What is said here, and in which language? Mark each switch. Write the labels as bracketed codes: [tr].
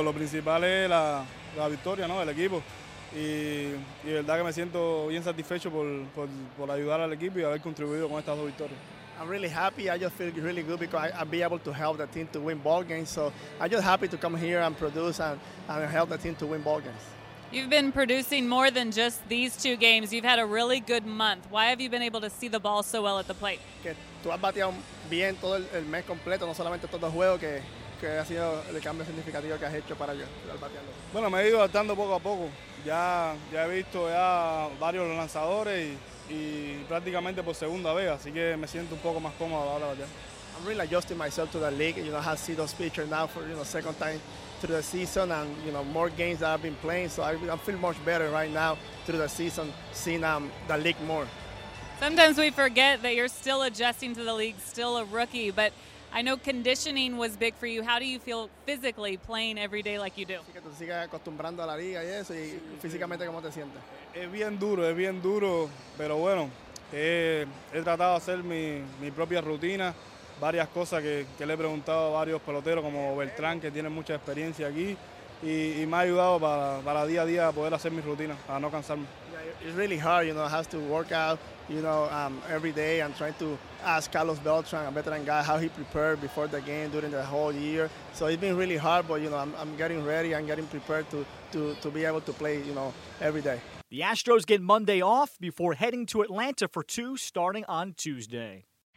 [es] Lo principal es la victoria, no, el equipo. Y verdad que me siento bien satisfecho por ayudar al equipo y haber contribuido con estas dos victorias. [en] I'm really happy. I just feel really good because I'll be able to help the team to win ball games. So I'm just happy to come here and produce and help the team to win ball games. You've been producing more than just these two games. You've had a really good month. Why have you been able to see the ball so well at the plate? [es] Que tú has bateado bien todo el mes completo, no solamente todos los juegos que ha sido el cambio significativo que has hecho para yo al bateando. Bueno, me he ido adaptando poco a poco. Ya he visto ya varios lanzadores y prácticamente por segunda vez, así que me siento un poco más cómodo a la hora de batear. [en] I'm really adjusting myself to the league. You know, I have seen those pitchers now for, you know, second time through the season, and you know, more games that I've been playing, so I feel much better right now through the season, seeing the league more. Sometimes we forget that you're still adjusting to the league, still a rookie, but I know conditioning was big for you. How do you feel physically playing every day like you do? [es] Que tú sigas acostumbrando a la liga y eso, y físicamente, ¿cómo te sientes? Es bien duro, pero bueno, he tratado de hacer mi propia rutina, varias cosas que le he preguntado a varios peloteros, como Beltrán, que tiene mucha experiencia aquí, y me ha ayudado para día a día poder hacer mi rutina, para no cansarme. [en] It's really hard, you know, I have to work out, you know, every day. I'm trying to ask Carlos Beltran, a veteran guy, how he prepared before the game during the whole year. So it's been really hard, but, you know, I'm getting ready, I'm getting prepared to be able to play, you know, every day. The Astros get Monday off before heading to Atlanta for two, starting on Tuesday.